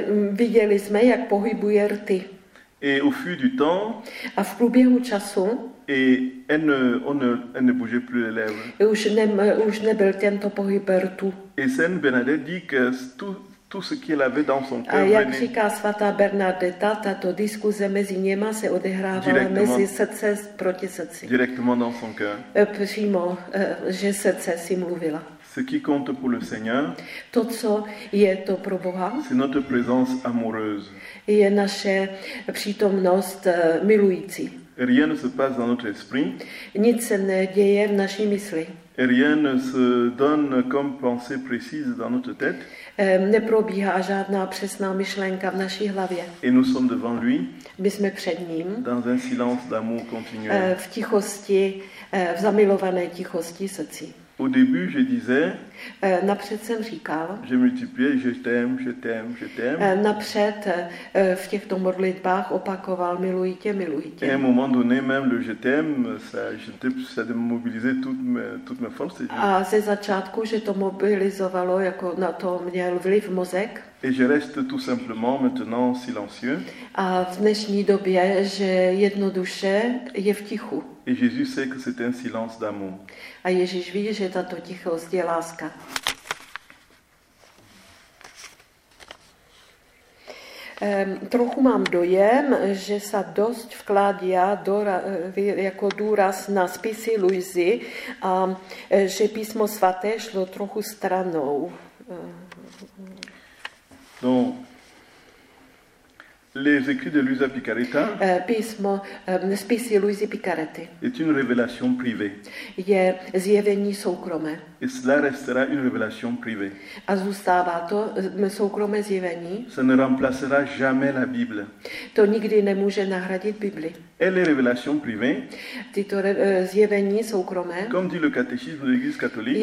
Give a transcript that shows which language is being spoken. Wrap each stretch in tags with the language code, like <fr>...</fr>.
<cs>Viděli jsme, jak pohybuje rty.</cs> <fr>Et au fil du temps,</fr> <cs>a v průběhu času,</cs> <fr>et elle ne bougeait plus les lèvres.</fr> <cs>Et už nebyl tento pohyb rtu.</cs> <fr>Et Sainte Bernadette dit que tout ce qu'elle avait dans son cœur.</fr> <cs>A jak říká svatá Bernadetta, tato diskuze mezi něma se odehrávala mezi srdce proti srdci.</cs> <fr>Directement dans son cœur.</fr> <cs>Přímo, že srdce si mluvila.</cs> <fr>Ce qui compte pour le Seigneur,</fr> <cs>to, co je to pro Boha,</cs> <fr>c'est notre présence amoureuse.</fr> <cs>Je naše přítomnost milující.</cs> <fr>Rien ne se passe dans notre esprit.</fr> <cs>Nic se neděje v naší mysli.</cs> <fr>Rien ne se donne comme pensée précise dans notre tête.</fr> <cs>Neprobíhá žádná přesná myšlenka v naší hlavě.</cs> <fr>Et nous sommes devant lui.</fr> <cs>My jsme před ním.</cs> <fr>Dans un silence d'amour continuel.</fr> <cs>V tichosti, v zamilované tichosti srdci.</cs> <fr>Au début, je disais,</fr> <cs>napřed jsem říkal,</cs> <fr>je multiplie, je t'aime, je t'aime, je t'aime.</fr> <cs>Napřed v těchto modlitbách opakoval, miluji tě, miluji tě.</cs> <fr>Et à un moment donné, même le je t'aime, ça démobilisait toutes mes forces.</fr> <cs>A ze začátku, že to mobilizovalo, jako na to měl vliv mozek.</cs> <fr>Et je reste tout simplement maintenant silencieux.</fr> <cs>A v dnešní době, že jednoduše je v tichu.</cs> <fr>Et Jésus sait que c'est un silence d'amour.</fr> <cs>A Ježíš ví, že tato tichost je láska. Trochu mám dojem, že se dost vkládá jako důraz na spisy Luisy a že písmo svaté šlo trochu stranou.</cs> <fr>Donc, les écrits de Luisa Picaretta.</fr> <cs>Písmo spisy Luisy Picarety.</cs> <fr>Est une révélation privée.</fr> <cs>Je zjevení soukromé.</cs> <fr>Et cela restera une révélation privée.</fr> <cs>A zůstává to soukromé zjevení.</cs> <fr>Ça ne remplacera jamais la Bible.</fr> <cs>To nikdy nemůže nahradit Bibli.</cs> <fr>Et les révélations privées.</fr> <cs>Tyto zjevení soukromé.</cs> <fr>Comme dit le catéchisme de l'Église catholique.</fr>